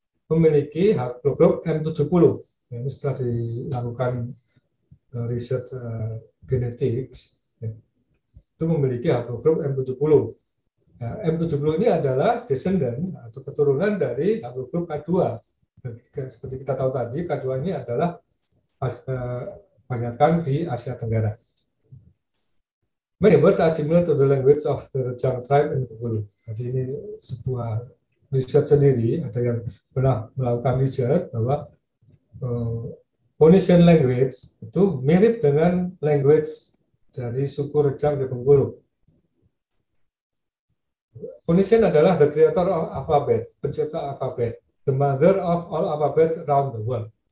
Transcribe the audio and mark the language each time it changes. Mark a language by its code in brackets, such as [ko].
[id] Memiliki hak produk M70. Ini setelah dilakukan riset genetik, itu memiliki haplogroup M70. Nah, M70 ini adalah descendant atau keturunan dari haplogroup K2. Seperti kita tahu tadi, K2 ini adalah banyakkan di Asia Tenggara. [en] Many words are similar to the language of the Rajang tribe in Bengkulu. [id] Jadi ini sebuah riset sendiri, ada yang pernah melakukan riset bahwa Phoenician language itu mirip dengan language dari suku Rejang di Bengkulu. Phoenician adalah [en] the creator of alphabet, [id] pencipta alphabet, [en] the mother of all alphabets around the world.